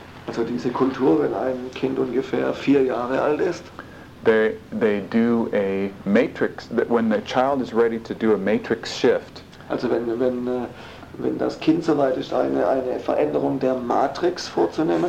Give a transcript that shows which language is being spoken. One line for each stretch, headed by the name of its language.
German: also diese Kultur, wenn ein Kind ungefähr 4 Jahre alt ist,
English: they do a matrix. When the child is ready to do a matrix shift,
German: also wenn das Kind soweit ist, eine Veränderung der Matrix vorzunehmen,